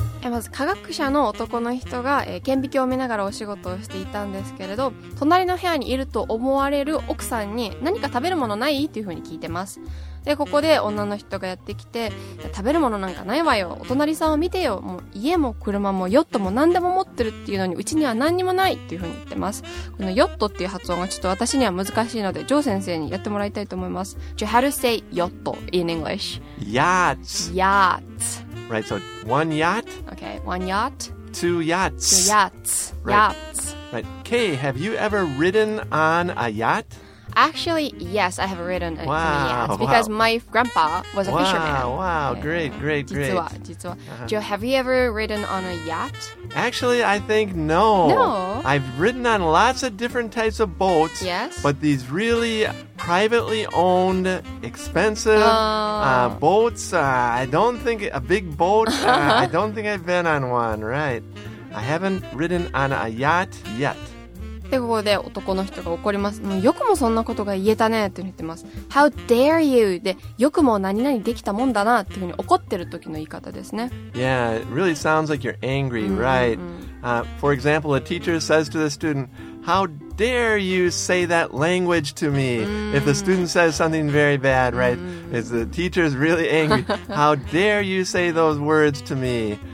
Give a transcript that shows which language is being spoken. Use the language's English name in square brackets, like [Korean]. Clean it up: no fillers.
[Japanese] まず科学者の男の人が、顕微鏡を見ながらお仕事をしていたんですけれど、隣の部屋にいると思われる奥さんに何か食べるものないっていうふうに聞いてます。でここで女の人がやってきて、食べるものなんかないわよ、お隣さんを見てよ、もう家も車もヨットも何でも持ってるっていうのにうちには何にもないっていうふうに言ってます。このヨットっていう発音がちょっと私には難しいので、ジョー先生にやってもらいたいと思います。 [English] Do you have to say ヨット in English? Yachts. Right, so one yacht. Okay, one yacht. Two yachts. Yachts. Right. Kay, have you ever ridden on a yacht? Actually, yes, I have ridden on a yacht. Wow. Because my grandpa was a fisherman. Wow, okay. great. [Japanese] 実は。 [English] Joe, have you ever ridden on a yacht? Actually, I think no. No? I've ridden on lots of different types of boats. Yes. But these really privately owned, expensive boats. I don't think a big boat. I don't think I've been on one, right? I haven't ridden on a yacht yet. [Japanese] でここで男の人が怒ります。もうよくもそんなことが言えたねって言ってます。 [English] How dare you? [Japanese] で、よくも何々できたもんだなっていうふうに怒ってる時の言い方ですね。 [English] Yeah, it really sounds like you're angry, right? For example, a teacher says to the student, How dare you say that language to me? If the student says something very bad, right? If the teacher is really angry, How dare you say those words to me?